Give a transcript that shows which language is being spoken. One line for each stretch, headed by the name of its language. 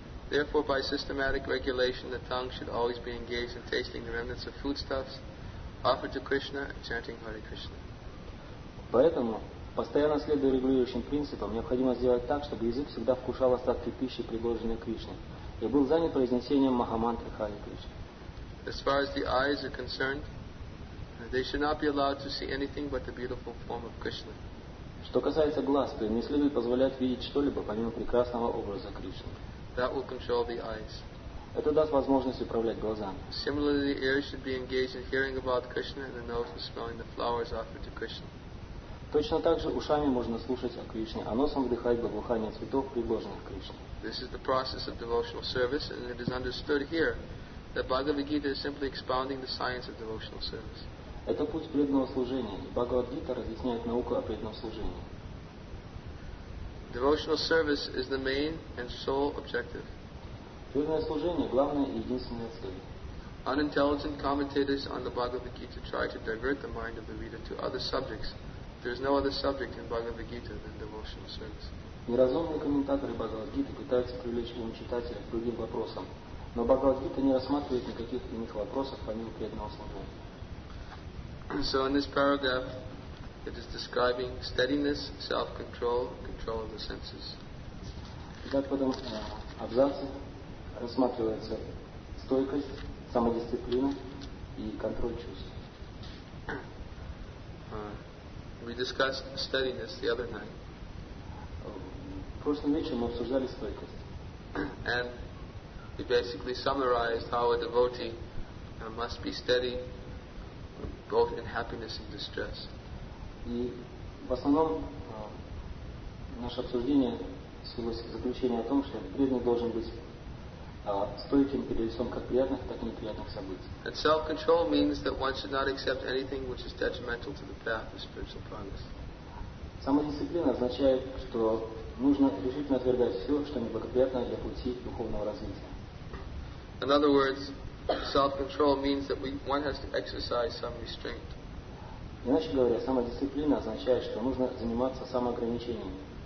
English: Therefore, by systematic regulation, the tongue should always be engaged in tasting the remnants of foodstuffs offered to Krishna and chanting Hare Krishna.
Russian: Поэтому, постоянно следуя регулирующим принципам, необходимо сделать так, чтобы язык всегда вкушал остатки пищи, предложенной Кришне, и был занят произнесением Махамантры Хари Кришны.
English: As far as the eyes are concerned, they should not be allowed to see anything but the beautiful form of Krishna.
Russian: Что касается глаз, то им не следует позволять видеть что-либо, помимо прекрасного образа Кришны.
English: That will control the eyes.
Russian: Это даст возможность управлять глазами.
English: Similarly, the ears should be engaged in hearing about Krishna and the nose in smelling the flowers offered to Krishna.
Russian: Точно так же ушами можно слушать о Кришне, а носом вдыхать благоухание цветов, предложенных Кришне.
English: This is the process of devotional service, and it is understood here that Bhagavad Gita is simply expounding the science of devotional service.
Russian: Это путь преданного служения, и Бхагавад Гита разъясняет науку о преданном служении.
English: Devotional service is the main and sole objective.
Russian: Преданное служение – главная и единственная цель.
English: Unintelligent commentators on the Bhagavad Gita try to divert the mind of the reader to other subjects. There is no other subject in Bhagavad Gita than devotional service.
Russian: Неразумные комментаторы Бхагавад Гиты пытаются привлечь ум читателя к другим вопросам, но Бхагавад Гита не рассматривает никаких иных вопросов помимо преданного служения.
English: So in this paragraph, it is describing steadiness, self-control, control of the senses.
Russian: Итак, в этом абзаце рассматривается стойкость, самодисциплина и контроль чувств.
English: We discussed steadiness the other night.
Russian: В прошлом вечере мы обсуждали стойкость.
English: And we basically summarized how a devotee must be steady both in happiness and distress.
Russian: И в основном наше обсуждение свелось к заключению о том, что преданный должен быть стойким перед лицом как приятных, так и неприятных событий.
English: And self-control means that one should not accept anything which is detrimental to the path of spiritual progress.
Russian: Самодисциплина означает, что нужно решительно отвергать все, что неблагоприятно для пути духовного развития.
English: In other words, self-control means that one has to exercise some restraint.
Russian: Иначе говоря, самодисциплина означает, что нужно заниматься самоограничениями.